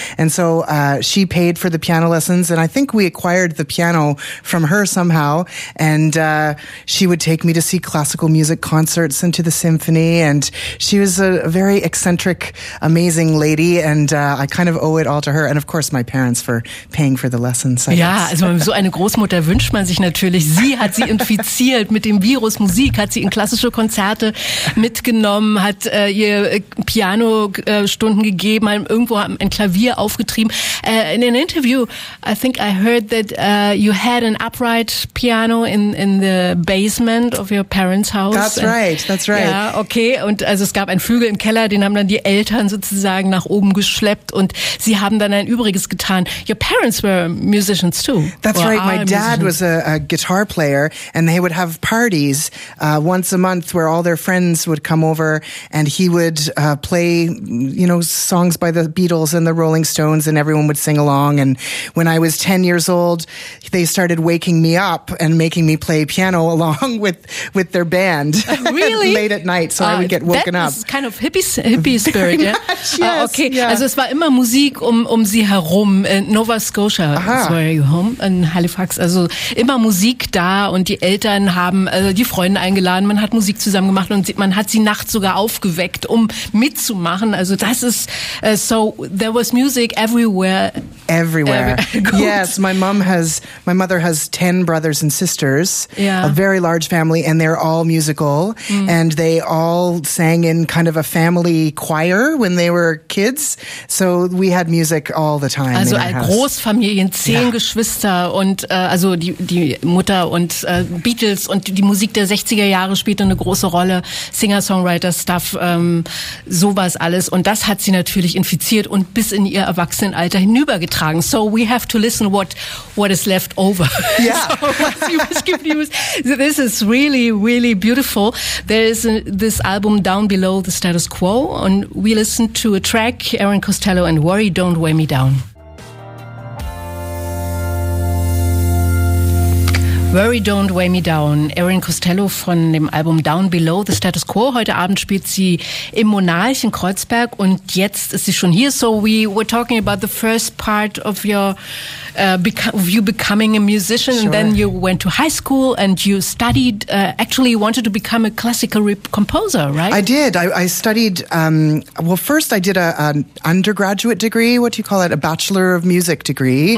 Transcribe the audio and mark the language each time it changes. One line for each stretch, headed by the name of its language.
English: And so she paid for the piano lessons. And I think we acquired the piano from her somehow. And she would take me to see classical music concerts and to the symphony. And she was a very eccentric, amazing lady. And I kind of owe it all to her. And of course, my parents for paying for the lessons.
German: Also so eine Großmutter wünscht man sich natürlich. Sie hat sie infiziert mit dem Virus Musik, hat sie in klassische Konzerte mitgenommen, hat ihr Piano-Stunden gegeben, irgendwo ein Klavier aufgetrieben.
English: In an interview, I think I heard that you had an upright piano in the basement of your parents' house. That's right.
German: Ja, okay. Und also es gab einen Flügel im Keller, den haben dann die Eltern sozusagen nach oben geschleppt und sie haben dann ein Übriges getan.
English: Your parents were musicians too. That's right. My dad was a guitar player and they would have parties once a month where all their friends would come over and he would play, you know, songs by the Beatles and the Rolling Stones and everyone would sing along. And when I was 10 years old, they started waking me up and making me play piano along with their band. Really? Late at night, so I would get woken up. That is kind of hippie spirit, yeah? Much, yes. Okay, yeah.
German: Also es war immer Musik um sie herum.
English: In Nova Scotia, that's where you're home, in Halifax.
German: Also immer Musik da und die Eltern haben die Freunde eingeladen, man hat Musik zusammen gemacht und man hat sie nachts sogar aufgeweckt, um mitzumachen. Also das ist,
English: there was music everywhere. Everywhere. Yes, my mother has 10 brothers and sisters, a very large family, and they're all musical, and they all sang in kind of a family choir when they were kids, so we had music all the time.
German: Also ein Großfamilien, 10 Geschwister und also die Mutter und Beatles und die Musik der 60er Jahre spielte eine große Rolle, Singer-Songwriter-Stuff, sowas alles und das hat sie natürlich infiziert und bis in ihr Erwachsenenalter hinübergetragen.
English: So we have to listen what is left over. Yeah. So what you give you, this is really, really beautiful. There is this album Down Below the Status Quo and we listen to a track, Erin Costello and Worry Don't Weigh Me Down.
German: Worry Don't Weigh Me Down, Erin Costello von dem Album Down Below the Status Quo. Heute Abend spielt sie im Monarch in Kreuzberg und jetzt ist sie schon hier.
English: So we were talking about the first part of your you becoming a musician. Sure. And then you went to high school and you studied, actually wanted to become a classical composer, right? I did. I studied, first I did an undergraduate degree, what do you call it, a Bachelor of Music degree.